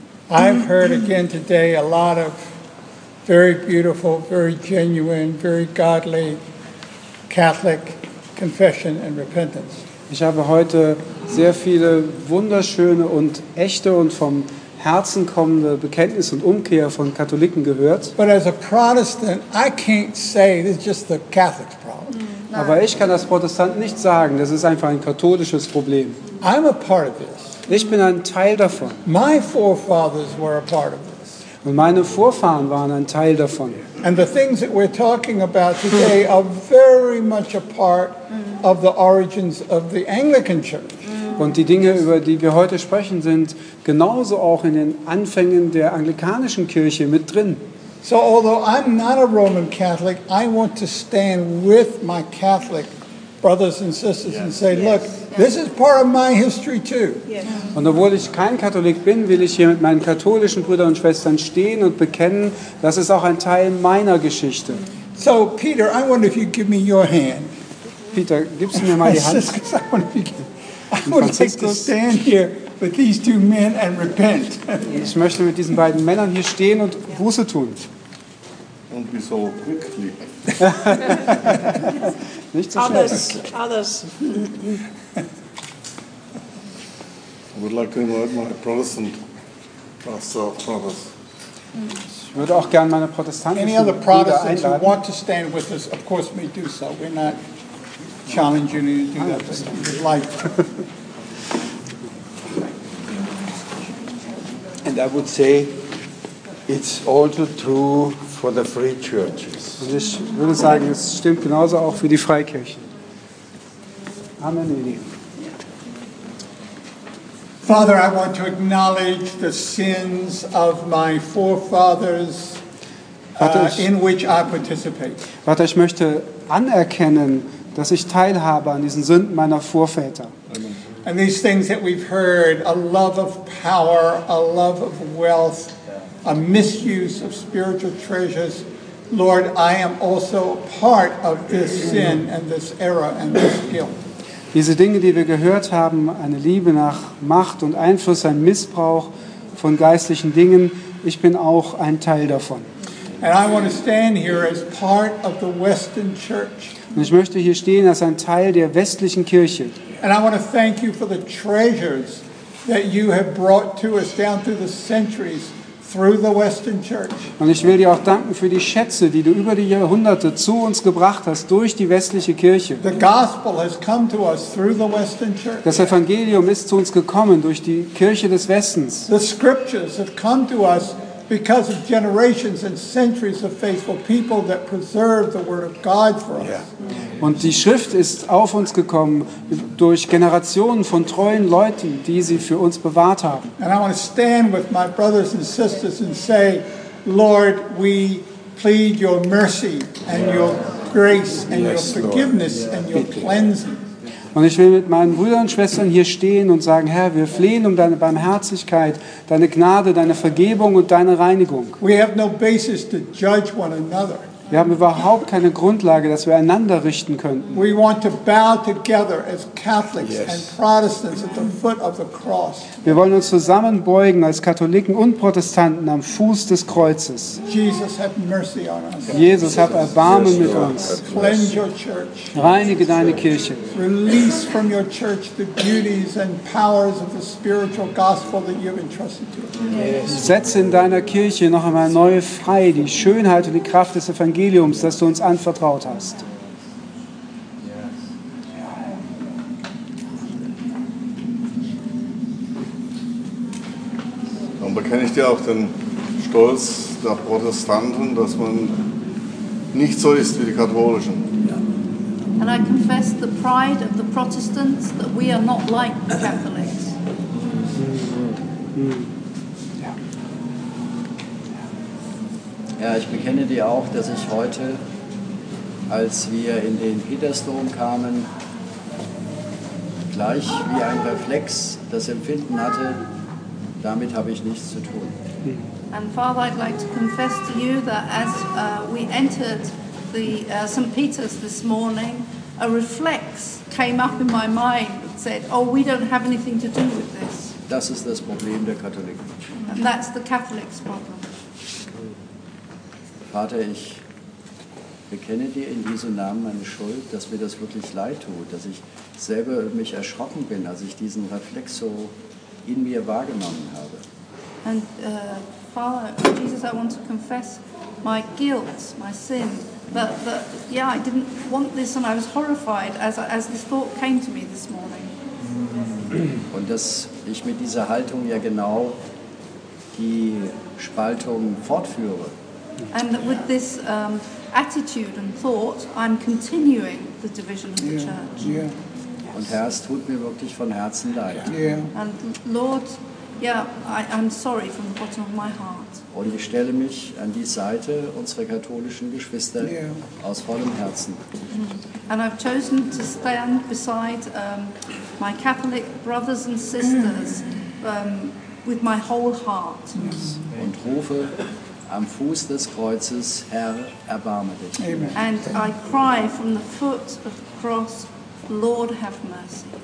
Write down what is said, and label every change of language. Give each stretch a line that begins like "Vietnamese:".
English: I've heard again today a lot of very beautiful, very genuine, very godly Catholic confession and repentance.
German: Ich habe heute sehr viele wunderschöne und echte und vom Herzen kommende Bekenntnis und Umkehr von Katholiken gehört.
English: But as a Protestant, I can't say this is just the Catholic problem.
German: Aber ich kann als Protestant nicht sagen, das ist einfach ein katholisches Problem.
English: I'm a part of this.
German: Ich bin ein Teil davon.
English: My forefathers were a part of this.
German: Und meine Vorfahren waren ein Teil davon.
English: And the things that we're talking about today are very much a part of the origins of the Anglican Church.
German: Und die Dinge, über die wir heute sprechen, sind genauso auch in den Anfängen der anglikanischen Kirche mit drin.
English: So although I'm not a Roman Catholic, I want to stand with my Catholic brothers and sisters and say, look, this is part of my history too.
German: Und obwohl ich kein Katholik bin, will ich hier mit meinen katholischen Brüdern und Schwestern stehen und bekennen, das ist auch ein Teil meiner Geschichte.
English: So Peter, I wonder if you give me your hand.
German: Peter, gibst du mir mal die Hand?
English: Franziskus, I wonder if you can. I would like to stand here with these two men and repent.
German: Ich möchte mit diesen beiden Männern hier stehen und Buße tun. Und wieso rückfliegen? Nicht so schnell.
English: Others. I would like to invite my Protestant pastor brothers.
German: Ich würde auch gerne meine protestantischen Brüder einladen.
English: Any other Protestants who want to stand with us, of course, may do so. We're not challenging you to do that. Just with life. And I would say, it's also true for the free churches.
German: Und ich würde sagen, es stimmt genauso auch für die Freikirchen.
English: Amen. Father, I want to acknowledge the sins of my forefathers in which I participate.
German: Vater, ich möchte anerkennen, dass ich teilhabe an diesen Sünden meiner Vorväter.
English: And these things that we've heard, a love of power, a love of wealth, a misuse of spiritual treasures. Lord, I am also part of this sin and this error and this guilt.
German: Diese Dinge, die wir gehört haben, eine Liebe nach Macht und Einfluss, ein Missbrauch von geistlichen Dingen, ich bin auch ein Teil davon.
English: And I want to stand here as part of the Western Church.
German: Und ich möchte hier stehen als ein Teil der westlichen Kirche.
English: And I want to thank you for the treasures that you have brought to us down through the centuries through the Western Church.
German: Und ich will dir auch danken für die Schätze, die du über die Jahrhunderte zu uns gebracht hast durch die westliche Kirche.
English: The gospel has come to us through the Western Church.
German: Das Evangelium ist zu uns gekommen durch die Kirche des Westens.
English: The scriptures have come to us because of generations and centuries of faithful people that preserved the word of God for us.
German: Und die Schrift ist auf uns gekommen durch Generationen von treuen Leuten, die sie für uns bewahrt haben.
English: And I want to stand with my brothers and sisters and say, Lord, we plead your mercy and your grace and your forgiveness and your cleansing.
German: Und ich will mit meinen Brüdern und Schwestern hier stehen und sagen, Herr, wir flehen um deine Barmherzigkeit, deine Gnade, deine Vergebung und deine Reinigung.
English: We have no basis to judge one another.
German: Wir haben überhaupt keine Grundlage, dass wir einander richten könnten.
English: We want to bow together as Catholics and Protestants at the foot of the cross.
German: Wir wollen uns zusammenbeugen als Katholiken und Protestanten am Fuß des Kreuzes.
English: Jesus, have mercy on us.
German: Jesus, hab Erbarmen mit uns.
English: Cleanse your church.
German: Reinige deine Kirche.
English: Release from your church the duties and powers of the spiritual gospel that you've entrusted to us.
German: Setze in deiner Kirche noch einmal neu frei die Schönheit und die Kraft des Evangeliums, das du uns anvertraut hast. Dann bekenne ich dir auch den Stolz der Protestanten, dass man nicht so ist wie die Katholischen.
English: And I confess the pride of the Protestants that we are not like the Catholics.
German: Ja, ich bekenne dir auch, dass ich heute, als wir in den Petersdom kamen, gleich wie ein Reflex das Empfinden hatte, damit habe ich nichts zu tun.
English: And Father, I'd like to confess to you that as we entered the St. Peter's this morning, a reflex came up in my mind and said, oh, we don't have anything to do with this.
German: Das ist das Problem der Katholiken.
English: And that's the Catholics' problem.
German: Vater, ich bekenne dir in Jesu Namen meine Schuld, dass mir das wirklich leid tut, dass ich selber mich erschrocken bin, als ich diesen Reflex so in mir wahrgenommen habe.
English: And Father, Jesus, I want to confess my guilt, my sin, that I didn't want this and I was horrified as this thought came to me this morning.
German: Und dass ich mit dieser Haltung ja genau die Spaltung fortführe.
English: And that with this attitude and thought, I'm continuing the division of the church. Yeah.
German: Und Herr, es tut mir wirklich von Herzen leid. Yeah.
English: And Lord, I'm sorry from the bottom of my heart.
German: Und ich stelle mich an die Seite unserer katholischen Geschwister aus vollem Herzen.
English: And I've chosen to stand beside my Catholic brothers and sisters with my whole heart. Yes.
German: Und rufe am Fuß des Kreuzes, Herr, erbarme dich. Amen.
English: And I cry from the foot of the cross, Lord, have mercy.